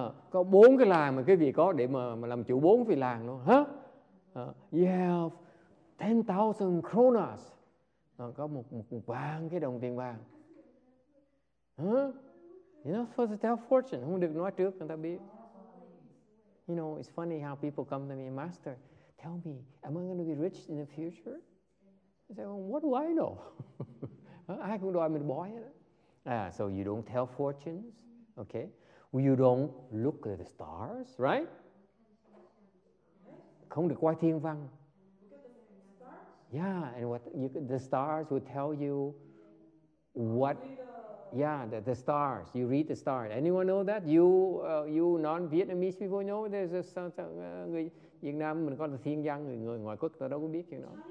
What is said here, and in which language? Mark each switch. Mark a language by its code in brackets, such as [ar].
[vi] Có bốn cái làng mà quý vị có để mà làm chủ bốn vị làng luôn, hả? [en] You have 10,000 kronas, [vi] có một vạn cái đồng tiền vàng, hả? [en] You know, for the tell fortune, [vi] không được nói trước người ta biết. [en] You know, it's funny how people come to me, Master, tell me, am I going to be rich in the future? I say, well, what do I know? [vi] Ai cũng đòi mình bói hết. [en] So you don't tell fortunes, okay? You don't look at the stars, right? [vi] không được quay thiên văn. [en] Yeah, and what you, the stars will tell you what. Yeah, the stars. You read the stars. Anyone know that? You non-Vietnamese people know there's a [vi] người Việt Nam mình có là thiên văn, người người ngoại quốc ta đâu có biết chuyện đó.